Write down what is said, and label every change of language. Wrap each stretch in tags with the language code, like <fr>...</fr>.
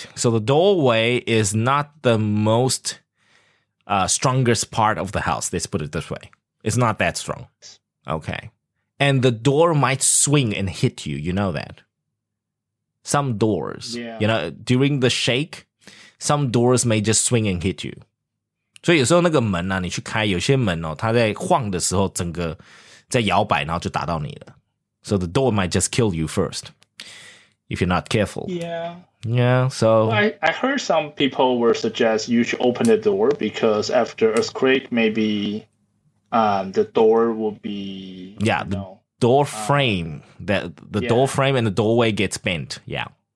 <en>So the doorway is not the most strongest part of the house. Let's put it this way. It's not that strong. Okay. And the door might swing and hit you. You know that. Some doors. Yeah. You know, during the shake, some doors may just swing and hit you.</en> <zh>所以有时候那个门啊你去开有些门哦它在晃的时候整个在摇摆然后就打到你了。</zh> <en>So the door might just kill you first, if you're not careful. Yeah. Yeah, so. I heard some people were suggest you should open the door because after earthquake, maybe, the door will be, yeah, know, the door frame, the yeah. door frame and the doorway gets bent. Yeah.</en>